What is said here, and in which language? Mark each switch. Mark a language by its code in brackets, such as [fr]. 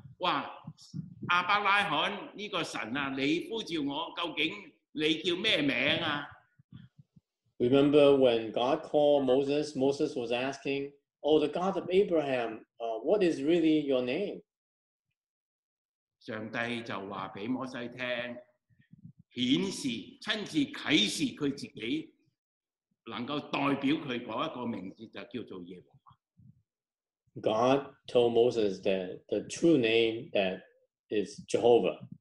[yue] 哇，阿伯拉罕呢個神啊，你呼召我，究竟你叫咩名啊？ [en] Remember when God called Moses? Moses was asking, "Oh, the God of Abraham, what is really your name?" [yue] 上帝就話俾摩西聽，顯示親自啟示佢自己，能夠代表佢嗰一個名字就叫做耶和華。 [en] God told Moses that the true name that is Jehovah.